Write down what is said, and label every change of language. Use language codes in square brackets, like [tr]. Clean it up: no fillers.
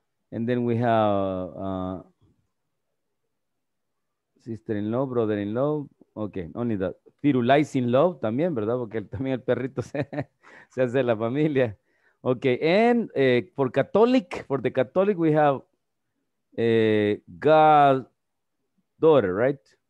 [en] And then we have sister in love, brother in love. Okay, only that. Firulais in love [es] también, ¿verdad? Porque también el perrito se hace la familia. [en] Okay, and for Catholic, for the Catholic, we have God daughter, right?